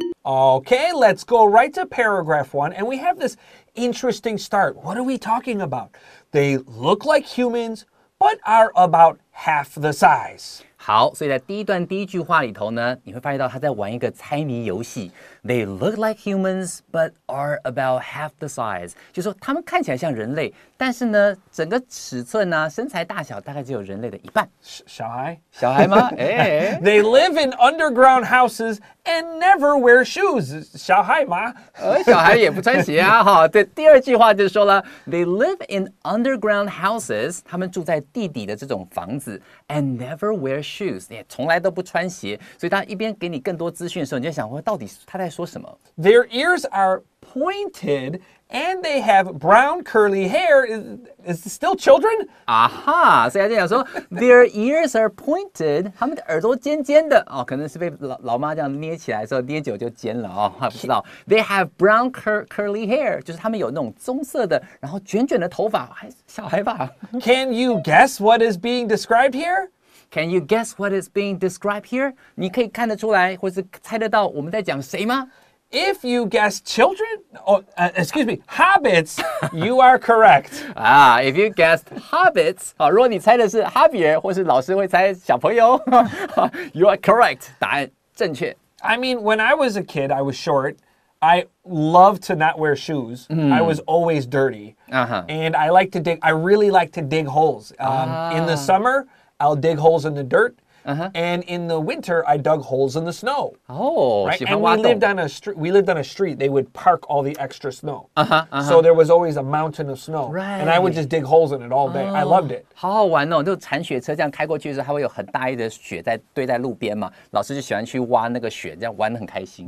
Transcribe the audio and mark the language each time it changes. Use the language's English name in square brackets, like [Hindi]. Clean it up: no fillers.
[English] Okay, let's go right to paragraph one, and we have this interesting start. What are we talking about? They look like humans,But are about half the size. [Chinese] 好，所以在第一段第一句话里头呢，你会发现到他在玩一个猜谜游戏。 [English] They look like humans, but are about half the size. [Chinese] 就是说他们看起来像人类，但是呢，整个尺寸呢、啊，身材大小大概只有人类的一半。小孩？小孩吗？哎。 [English] They live in underground houses and never wear shoes. [Chinese] 小孩吗？小孩也不穿鞋啊！哈，对。第二句话就是说了 ， [English] They live in underground houses. [Chinese] 他们住在地底的这种房子 ， [English] and never wear shoes. [Chinese] 也从来都不穿鞋。所以他一边给你更多资讯的时候，你就想说，到底他。 [English] Their ears are pointed and they have brown curly hair. Is it still children? Aha! So I'm saying, their ears are pointed. [Chinese] 他们的耳朵尖尖的、哦、可能是被 老妈这样捏起来的时候捏久就尖了、哦、不知道 [English] They have brown curly hair. [Chinese] 就是他们有那种棕色的然后卷卷的头发还小孩吧 [English] Can you guess what is being described here? Can you guess what is being described here? [Chinese] 你可以看得出来，或是猜得到我们在讲谁吗？ [English] If you guess children, hobbits, you are correct. [Chinese] Ah, [English] if you guessed hobbits, [Chinese] 好，如果你猜的是哈比人，或是老师会猜小朋友， [English] you are correct. [Chinese] 答案正确。 [English] I mean, when I was a kid, I was short. I loved to not wear shoes.、Mm. I was always dirty. Uh-huh. And I really like to dig holes. In the summer,I'll dig holes in the dirt, Uh-huh. And in the winter, I dug holes in the snow. Oh, right? And we lived on a street. They would park all the extra snow. Uh-huh, uh-huh. So there was always a mountain of snow. Right. And I would just dig holes in it all day. Oh, I loved it. [Chinese] 好好玩哦，就铲雪车这样开过去的时候，它会有很大一的雪在堆在路边嘛。老师就喜欢去挖那个雪，这样玩得很开心。